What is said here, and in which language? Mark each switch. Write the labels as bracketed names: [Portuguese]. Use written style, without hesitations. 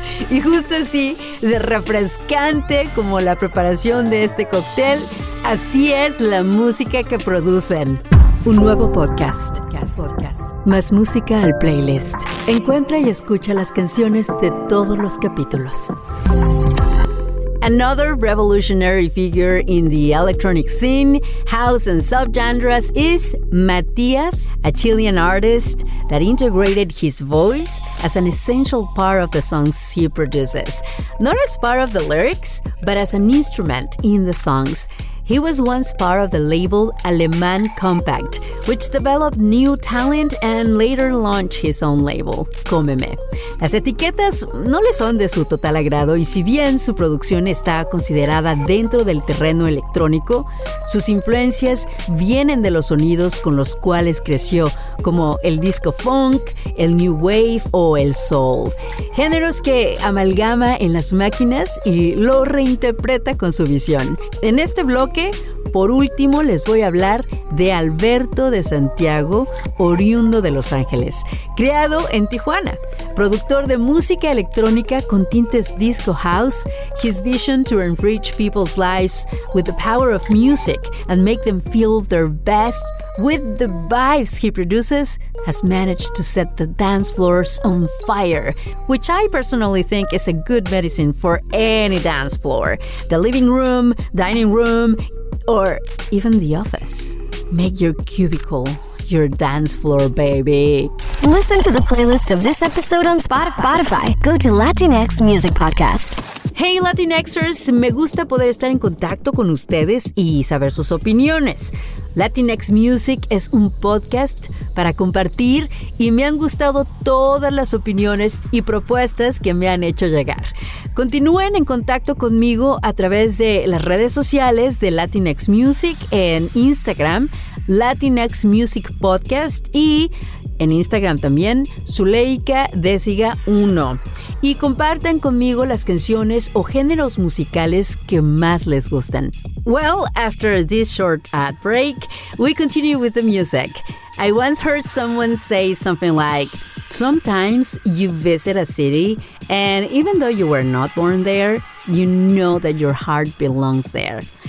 [Spanish] Y justo así, de refrescante como la preparación de este cóctel, así es la música que producen. Un nuevo podcast. Más música al playlist. Encuentra y escucha las canciones de todos los capítulos. [English] Another revolutionary figure in the electronic scene, house and subgenres is Matias, a Chilean artist that integrated his voice as an essential part of the songs he produces. Not as part of the lyrics, but as an instrument in the songs. He was once part of the label Alemán Compact, which developed new talent and later launched his own label, Cómeme. [Spanish] Las etiquetas no le son de su total agrado y si bien su producción está considerada dentro del terreno electrónico, sus influencias vienen de los sonidos con los cuales creció, como el disco funk, el new wave o el soul. Géneros que amalgama en las máquinas y lo reinterpreta con su visión. En este bloque, por último, les voy a hablar de Alberto de Santiago, oriundo de Los Ángeles, criado en Tijuana. Productor de música electrónica con tintes disco house, [English] his vision to enrich people's lives with the power of music and make them feel their best with the vibes he produces has managed to set the dance floors on fire, which I personally think is a good medicine for any dance floor. The living room, dining room, or even the office. Make your cubicle your dance floor, baby. Listen to the playlist of this episode on Spotify. Go to Latinx Music Podcast. [Spanish] Hey Latinxers, me gusta poder estar en contacto con ustedes y saber sus opiniones. Latinx Music es un podcast para compartir y me han gustado todas las opiniones y propuestas que me han hecho llegar. Continúen en contacto conmigo a través de las redes sociales de Latinx Music en Instagram, Latinx Music Podcast y en Instagram también, ZuleikaDesiga1. Y compartan conmigo las canciones o géneros musicales que más les gustan. [English] Well, after this short ad break, we continue with the music. I once heard someone say something like, sometimes you visit a city, and even though you were not born there, you know that your heart belongs there.